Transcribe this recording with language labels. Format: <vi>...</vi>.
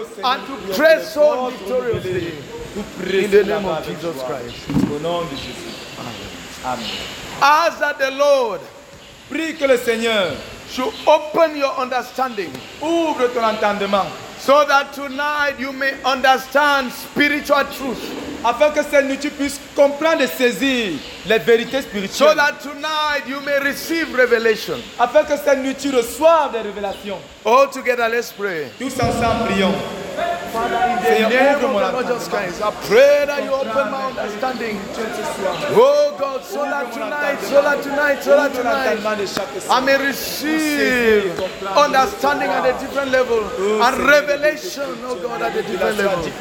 <en>And to press on victoriously. In the name of Jesus Christ. Amen. Ask that the Lord.</en> <fr>Prie que le Seigneur.</fr> <en>Should open your understanding.</en> <fr>Ouvre ton entendement.</fr> <en>So that tonight you may understand spiritual truth.</en> <fr>Afin que cette nuit tu puisses comprendre et saisir les vérités spirituelles.</fr> <en>So that tonight you may receive revelation.</en> <fr>Afin que cette nuit tu reçoives des révélations.</fr> <en>All together, let's pray.</en> <fr>Tous ensemble, prions.</fr> <en>Father, in the name of the Lord Jesus Christ, I pray that you open my understanding. Oh God, so that tonight, I may receive understanding at a different level and revelation, oh God, at a different level.</en>